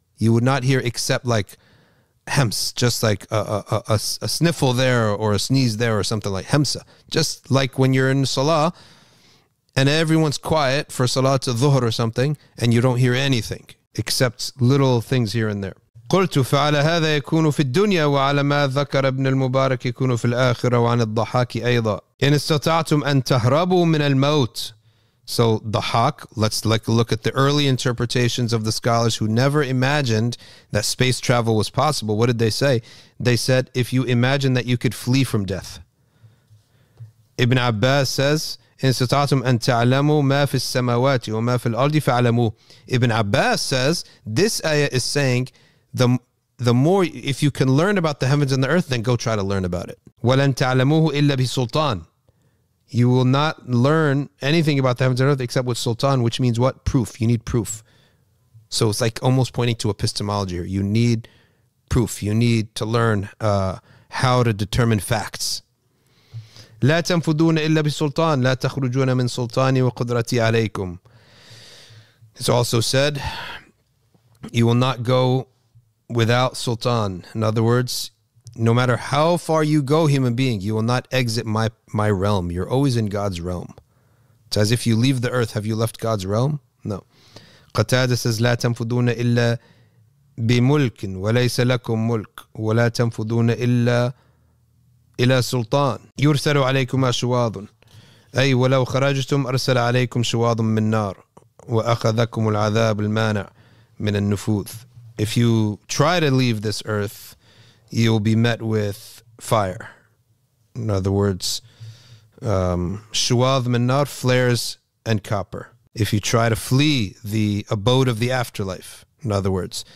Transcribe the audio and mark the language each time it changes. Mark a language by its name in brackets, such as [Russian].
[English] You would not hear except like hems, just like a sniffle there or a sneeze there or something like hemsa. Just like when you're in salah and everyone's quiet for salah to dhuhr or something and you don't hear anything except little things here and there. [Arabic] قلت فعلى هذا يكون في الدنيا وعلى ما ذكر ابن المبارك يكون في الآخرة وعن الضحاك أيضا. إن استطعتم أن تهربوا من الموت. [English] So dhahak, let's like look at the early interpretations of the scholars who never imagined that space travel was possible. What did they say? They said, if you imagine that you could flee from death. Ibn Abbas says, [Arabic] إن استطعتم أن تعلموا ما في السماوات وما في الأرض فعلموا. [English] Ibn Abbas says, this ayah is saying, the more, if you can learn about the heavens and the earth, then go try to learn about it. [Arabic] وَلَن تَعْلَمُوهُ إِلَّا بِسُلْطَانِ. [English] You will not learn anything about the heavens and earth except with sultan, which means what? Proof. You need proof. So it's like almost pointing to epistemology here. You need proof. You need to learn how to determine facts. [Arabic] لَا تَنْفُدُونَ إِلَّا بِسُلْطَانِ لَا تَخْرُجُونَ مِنْ سُلْطَانِ وَقُدْرَتِي عَلَيْكُمْ. [English] It's also said, you will not go without sultan. In other words, no matter how far you go, human being, you will not exit my realm. You're always in God's realm. It's as if you leave the earth. Have you left God's realm? No. Qatada says, [Arabic] لا تنفذون إلا بملك وليس لكم ملك ولا تنفذون إلا إلى سلطان يرسل عليكم شواظ أي ولو خرجتم أرسل عليكم شواظ من نار وأخذكم العذاب المانع من النفوذ. [English] If you try to leave this earth, you'll be met with fire. In other words, shuav minar, flares and copper. If you try to flee the abode of the afterlife, in other words.